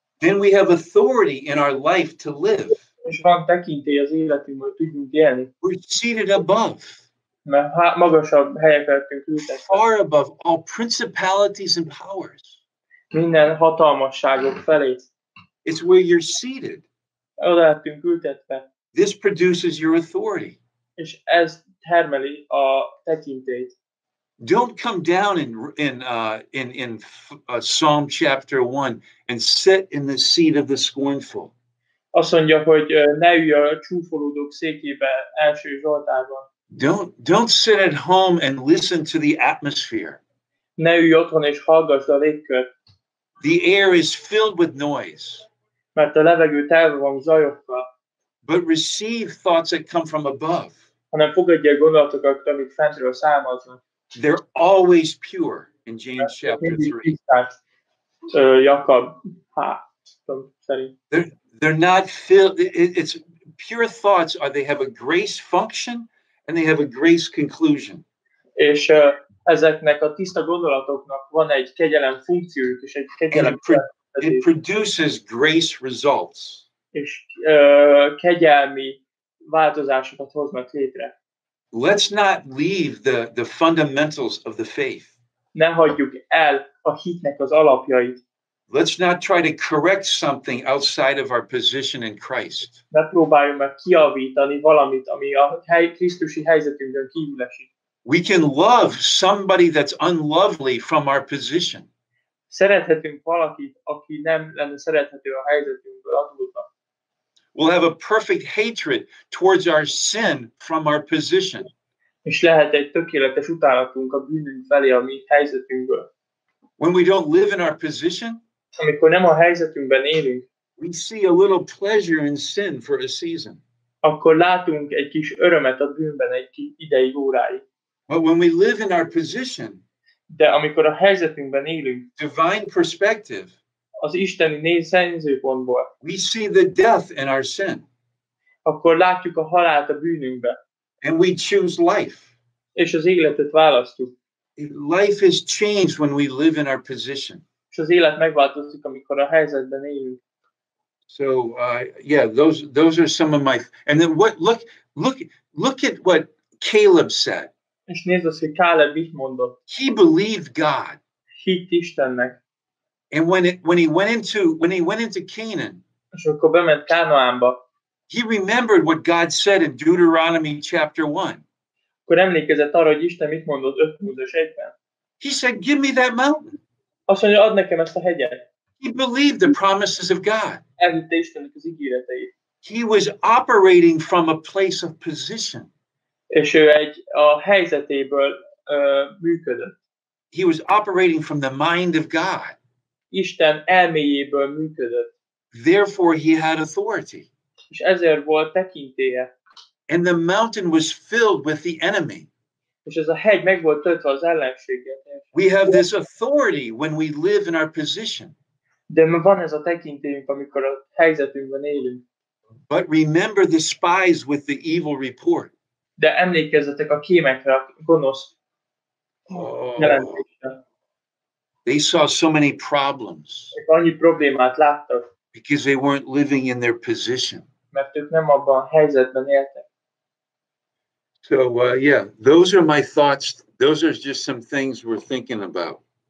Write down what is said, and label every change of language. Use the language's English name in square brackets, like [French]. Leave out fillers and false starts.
[English] Then we have authority in our life to live. [Hungarian] És van tekintély az életünk, hogy tudjunk élni. [English] We're seated above. [Hungarian] Mert magasabb helyekre ültetve. [English] Far above all principalities and powers. [Hungarian] Minden hatalmasságok felé. [English] It's where you're seated. [Hungarian] Oda lettünk ültetve. [English] This produces your authority. [Hungarian] És ez termeli a tekintélyt. [English] Don't come down in Psalm chapter 1 and sit in the seat of the scornful. [Hungarian] Azt mondja, hogy ne ülj a csúfolódók székébe első Zsoltárban. [English] Don't sit at home and listen to the atmosphere. [Hungarian] Ne ülj otthon és hallgass a légkört. [English] The air is filled with noise. [Hungarian] Mert a levegő telve van zajokkal. [English] But receive thoughts that come from above. [Hungarian] Hanem fogadja gondolatokat, amik fentről számoznak. [English] They're always pure in James chapter 3. [Hungarian] Jakab, szerint. [English] They're not filled. It's pure thoughts. Are they have a grace function and they have a grace conclusion. [Hungarian] És ezeknek a tiszta gondolatoknak van egy kegyelem funkciójuk és egy kegyelem. [English] It produces grace results. [Hungarian] És kegyelmi változásokat hoznak létre. [English] Let's not leave the fundamentals of the faith. [Hungarian] Ne hagyjuk el a hitnek az alapjait. [English] Let's not try to correct something outside of our position in Christ. [Hungarian] Ne próbáljunk meg kiavítani valamit, ami a Krisztusi helyzetünkön kívül esik. [English] We can love somebody that's unlovely from our position. [Hungarian] Szerethetünk valakit, aki nem lenne szerethető a helyzetünkből adódva. [English] We'll have a perfect hatred towards our sin from our position. [Hungarian] És lehet egy tökéletes utálatunk a bűnünk felé, a mi helyzetünkből. [English] When we don't live in our position, [Hungarian] amikor nem a helyzetünkben élünk, [English] we see a little pleasure in sin for a season. [Hungarian] Akkor látunk egy kis örömet a bűnben egy kis ideig, óráig. [English] But when we live in our position, [Hungarian] de amikor a helyzetünkben élünk, [English] divine perspective, [Hungarian] az isteni nézőpontból. [English] We see the death in our sin. [Hungarian] Akkor látjuk a halált a bűnünkbe. [English] And we choose life. [Hungarian] És az életet választjuk. [English] Life is changed when we live in our position. [Hungarian] És az élet megváltozik, amikor a helyzetben élünk. [English] So those are some of my. And then what? Look at what Caleb said. [Hungarian] És nézd azt, hogy Caleb mit mondott. [English] He believed God. [Hungarian] Hitt Istennek. [English] And when he went into Canaan, [Hungarian] és akkor bement Kánaánba, [English] he remembered what God said in Deuteronomy chapter 1. [Hungarian] Akkor emlékezett arra, hogy Isten mit mondott 5 Mózes 1-ben. [English] He said, "Give me that mountain." [Hungarian] Azt mondja, add nekem ezt a hegyet. [English] He believed the promises of God. [Hungarian] Elhitte Istennek az ígéreteit. [English] He was operating from a place of position. [Hungarian] És ő egy a helyzetéből működött. [English] He was operating from the mind of God. [Hungarian] Isten elméjéből működött. [English] Therefore he had authority. [Hungarian] És ezért volt tekintélye. [English] And the mountain was filled with the enemy. [Hungarian] És ez a hegy meg volt töltve az ellenséggel. [English] We have this authority when we live in our position. [Hungarian] De van ez a tekintélyünk, amikor a helyzetünkben élünk. [English] But remember the spies with the evil report. [Hungarian] De emlékezzetek a kémekre, a gonosz jelentésre. [English] They saw so many problems. [Hungarian] És annyi problémát láttak. [English] Because they weren't living in their position. [Hungarian] Mert ők nem abban a helyzetben éltek. [English] So, yeah, those are my thoughts. Those are just some things we're thinking about.